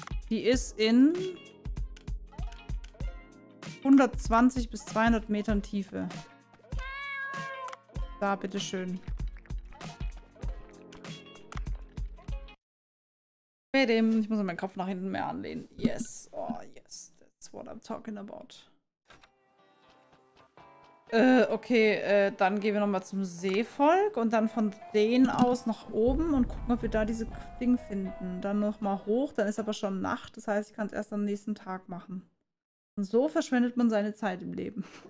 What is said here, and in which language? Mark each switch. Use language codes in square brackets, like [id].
[de] Die ist in... 120 bis 200 Metern Tiefe. Da, bitteschön. Ich muss meinen Kopf nach hinten mehr anlehnen. [en] Yes, oh yes, that's what I'm talking about. [de] Dann gehen wir nochmal zum Seevolk und dann von denen aus nach oben und gucken, ob wir da diese Ding finden. Dann nochmal hoch, dann ist aber schon Nacht, das heißt, ich kann es erst am nächsten Tag machen. Und so verschwendet man seine Zeit im Leben.